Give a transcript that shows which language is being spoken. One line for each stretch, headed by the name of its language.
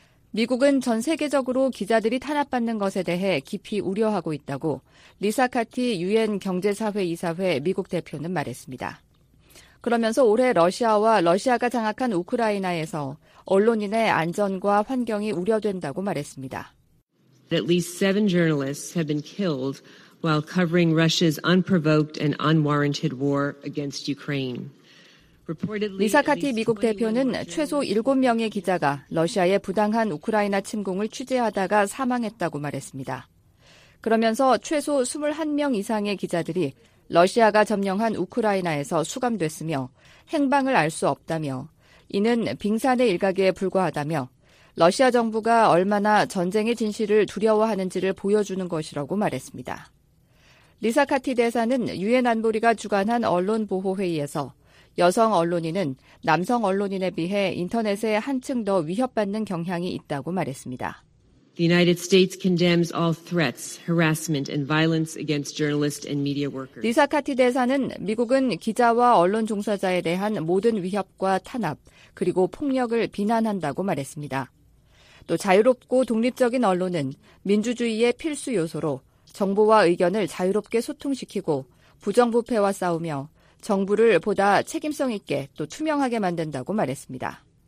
Korean: 미국은 전 세계적으로 기자들이 탄압받는 것에 대해 깊이 우려하고 있다고 리사 카티 유엔 경제사회이사회 미국 대표는 말했습니다. 그러면서 올해 러시아와 러시아가 장악한 우크라이나에서 언론인의 안전과 환경이 우려된다고 말했습니다.
English: At least seven journalists have been killed while covering Russia's unprovoked and unwarranted war against Ukraine.
Korean: 리사 카티 미국 대표는 최소 7명의 기자가 러시아의 부당한 우크라이나 침공을 취재하다가 사망했다고 말했습니다. 그러면서 최소 21명 이상의 기자들이 러시아가 점령한 우크라이나에서 수감됐으며 행방을 알 수 없다며 이는 빙산의 일각에 불과하다며 러시아 정부가 얼마나 전쟁의 진실을 두려워하는지를 보여주는 것이라고 말했습니다. 리사 카티 대사는 유엔 안보리가 주관한 언론 보호 회의에서 여성 언론인은 남성 언론인에 비해 인터넷에 한층 더 위협받는 경향이 있다고 말했습니다.
English: The United States condemns all threats, harassment, and violence against journalists and media workers.
Korean: 리사 카티 대사는 미국은 기자와 언론 종사자에 대한 모든 위협과 탄압 그리고 폭력을 비난한다고 말했습니다. 또 자유롭고 독립적인 언론은 민주주의의 필수 요소로 정보와 의견을 자유롭게 소통시키고 부정부패와 싸우며 정부를 보다 책임성 있게 또 투명하게 만든다고 말했습니다.